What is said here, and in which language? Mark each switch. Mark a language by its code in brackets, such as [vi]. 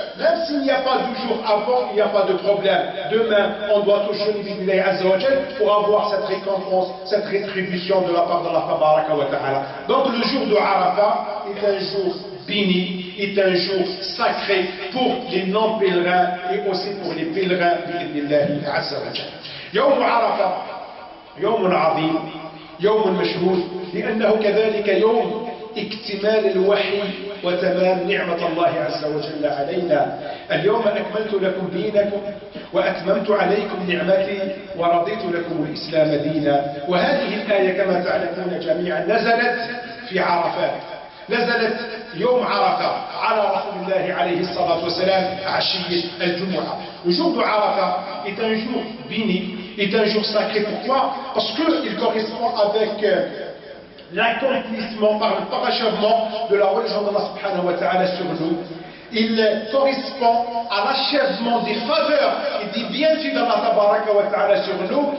[fr] Même s'il n'y a pas de jour avant, il n'y a pas de problème. Demain, on doit tous jeûner [ar] bi'idhnillahi azza wa jalla [fr] pour avoir cette récompense, cette rétribution de la part d'Allah tabaraka wa ta'ala. Donc le jour du Arafat est un jour béni, est un jour sacré pour les non-pèlerins et aussi pour les pèlerins [ar] bi'idhnillahi azza wa jalla. Yawm Arafat, yawm azim, يوم مشهور لأنه كذلك يوم اكتمال الوحي وتمام نعمة الله عز وجل علينا. اليوم أكملت لكم دينكم وأتممت عليكم نعمتي ورضيت لكم الإسلام دينا. وهذه الآية كما تعلمون جميعا نزلت في عرفات، نزلت يوم عرفة على رسول الله عليه الصلاة والسلام عشية الجمعة. وجود عرفة [fr] est un jour béni, est un jour sacré. Pourquoi? Parce qu'il correspond avec l'accomplissement par le parachèvement de la religion d'Allah subhanahu wa ta'ala sur nous. Il correspond à l'achèvement des faveurs et des bienfaits d'Allah tabaraka wa ta'ala sur nous.